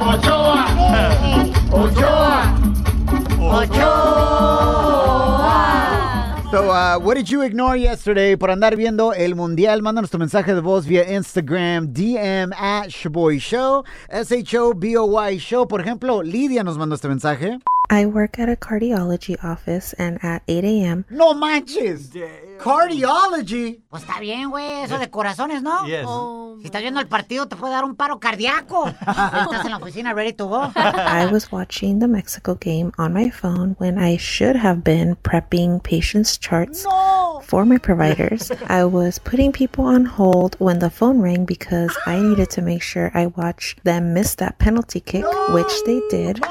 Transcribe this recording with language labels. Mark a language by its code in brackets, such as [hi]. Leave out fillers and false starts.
[es] Ochoa, Ochoa, Ochoa. [en] So, what did you ignore yesterday [es] por andar viendo el mundial? Mándanos tu mensaje de voz vía Instagram, DM at Shaboy Show, S-H-O-B-O-Y Show. Por ejemplo, Lidia nos mandó este mensaje. [en] I work at a cardiology office and at 8 a.m. [es] ¡No manches! [en] Damn. ¿Cardiology? [es] Pues está bien, güey. Eso de corazones, ¿no? [en] Yes. [es] Oh, si estás viendo el partido, te puede dar un paro cardíaco. Estás en la oficina, [en] ready to go. I was watching the Mexico game on my phone when I should have been prepping patients' charts for my providers. I was putting people on hold when the phone rang because I needed to make sure I watch them miss that penalty kick, which they did.